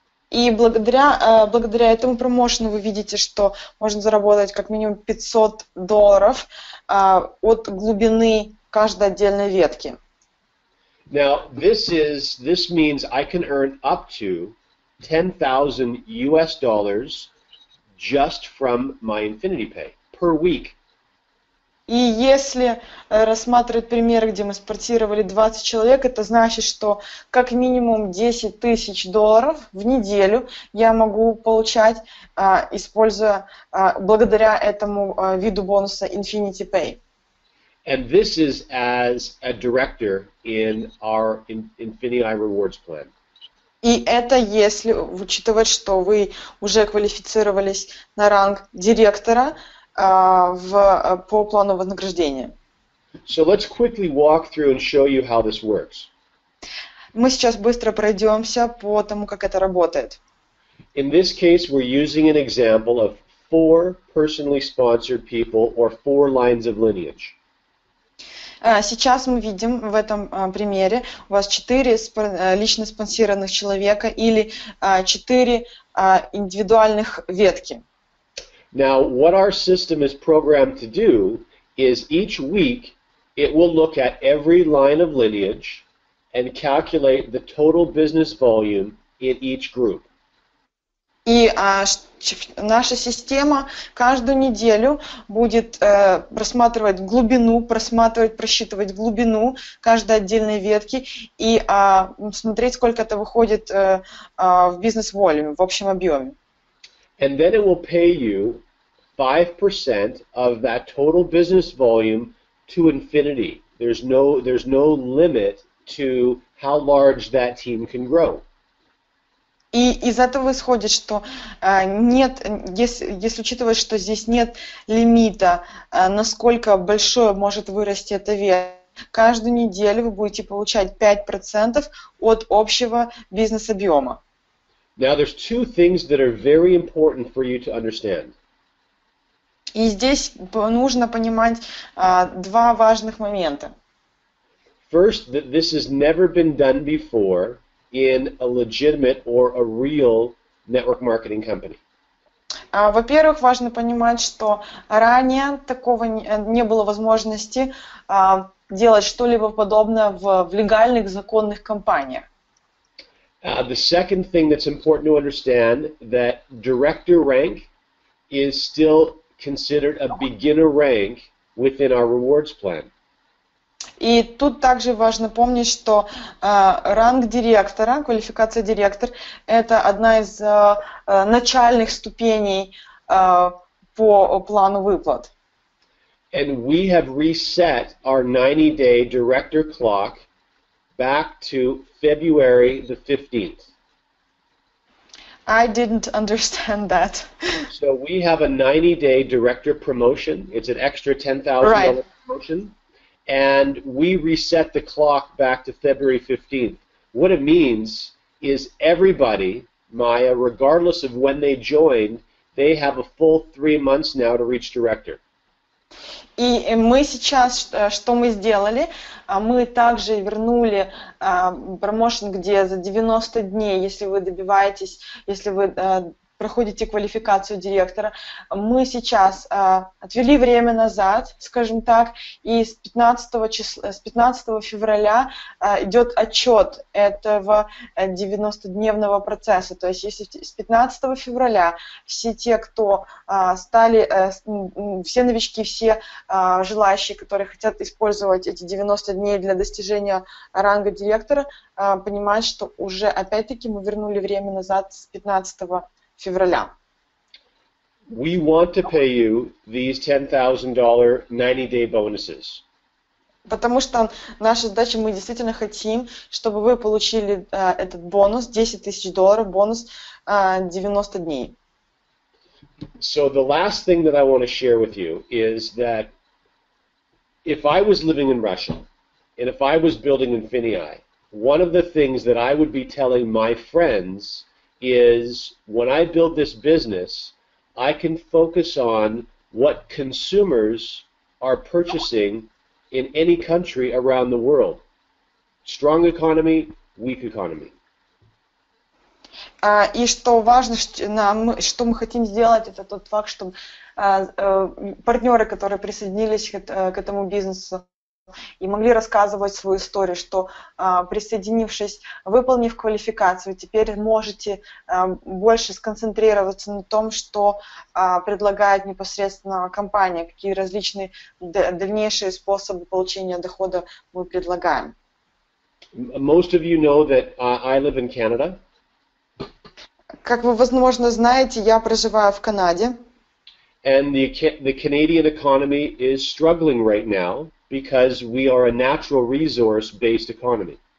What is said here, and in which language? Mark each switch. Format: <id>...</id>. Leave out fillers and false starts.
<ru>И благодаря этому промоушену вы видите, что можно заработать как минимум $500 от глубины каждой отдельной ветки.</ru> <en>Now, this means I can earn up to $10,000 just from my Infinity Pay per week.</en> <ru>И если рассматривать примеры, где мы спортировали 20 человек, это значит, что как минимум $10,000 в неделю я могу получать, используя благодаря этому виду бонуса Infinity Pay.</ru> <en>And this is as a director in our Infinity Rewards plan.</en> <ru>И это если учитывать, что вы уже квалифицировались на ранг директора по плану вознаграждения.</ru> <en>So let's quickly walk through and show you how this works.</en> <ru>Мы сейчас быстро пройдемся по тому, как это работает.</ru> <en>In this case, we're using an example of four personally sponsored people or four lines of lineage.</en> <ru>Сейчас мы видим в этом примере, у вас 4 лично спонсированных человека или 4 индивидуальных ветки.</ru> <en>Now, what our system is programmed to do is each week it will look at every line of lineage and calculate the total business volume in each group.</en> <ru>И наша система каждую неделю будет просматривать глубину, просчитывать глубину каждой отдельной ветки и смотреть, сколько это выходит в бизнес-волюме, в общем объеме.</ru> <en>And then it will pay you 5% of that total business volume to infinity. There's no limit to how large that team can grow.</en> <ru>И из этого исходит, что если учитывать, что здесь нет лимита, насколько большое может вырасти эта ветка, каждую неделю вы будете получать 5% от общего бизнес-объема.</ru> <en>Now there's two things that are very important for you to understand.</en> <ru>И здесь нужно понимать два важных момента.</ru> <en>First, that this has never been done before in a legitimate or a real network marketing company.</en> <ru>Во-первых, важно понимать, что ранее такого не было возможности делать что-либо подобное в легальных законных компаниях.</ru> <en>The second thing that's important to understand that director rank is still considered a beginner rank within our rewards plan.</en> <ru>И тут также важно помнить, что ранг директора, квалификация директор, это одна из начальных ступеней по плану выплат.</ru> <en>And we have reset our 90-day director clock back to February the 15th. I didn't understand that. So we have a 90-day director promotion. It's an extra $10,000 right. promotion. And we reset the clock back to February 15th. What it means is everybody, Maya, regardless of when they joined, they have a full 3 months now to reach director.</en> <ru>И мы сейчас, что мы сделали, мы также вернули промоушен, где за 90 дней, если вы добиваетесь, если вы проходите квалификацию директора. Мы сейчас отвели время назад, скажем так, и с 15 февраля идет отчет этого 90-дневного процесса. То есть если с 15 февраля все те, кто стали, все новички, все желающие, которые хотят использовать эти 90 дней для достижения ранга директора, понимают, что уже опять-таки мы вернули время назад с 15 февраля.</ru> <en>We want to pay you these $10,000 90-day bonuses.</en> <ru>Потому что наша задача, мы действительно хотим, чтобы вы получили этот бонус, $10,000 бонус 90 дней.</ru> <en>So the last thing that I want to share with you is that if I was living in Russia and if I was building Infinii, one of the things that I would be telling my friends is when I build this business, I can focus on what consumers are purchasing in any country around the world. Strong economy, weak economy.</en> <ru>И что важно, что мы хотим сделать, это тот факт, что партнеры, которые присоединились к этому бизнесу, и могли рассказывать свою историю, что присоединившись, выполнив квалификацию, теперь можете больше сконцентрироваться на том, что предлагает непосредственно компания, какие различные дальнейшие способы получения дохода мы предлагаем.</ru> <en>Most of you know that I live in Canada.</en> <ru>Как вы, возможно, знаете, я проживаю в Канаде.</ru> <en>And the Canadian economy is struggling right now. Because we are a natural resource-based economy.</en>